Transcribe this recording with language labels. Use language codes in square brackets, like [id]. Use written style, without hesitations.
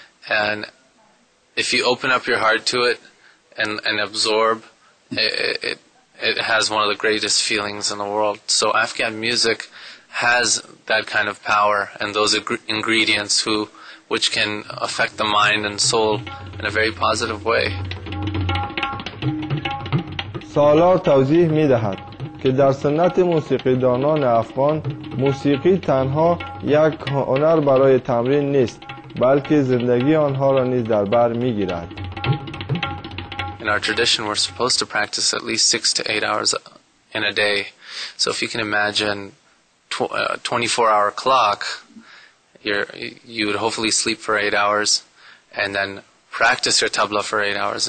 [en] And if you open up your heart to it and absorb, it has one of the greatest feelings in the world. So Afghan music has that kind of power and those ingredients which can affect the mind and soul in a very positive way. [fa] سالار توضیح می دهد که در سنت موسیقی دانان افغان موسیقی تنها یک هنر برای تمرین نیست بلکه زندگی آنها را نیز در بر می گیرد. [en] In our tradition, we're supposed to practice at least 6 to 8 hours in a day. So if you can imagine a 24-hour clock, you would hopefully sleep for 8 hours and then practice your tabla for 8 hours.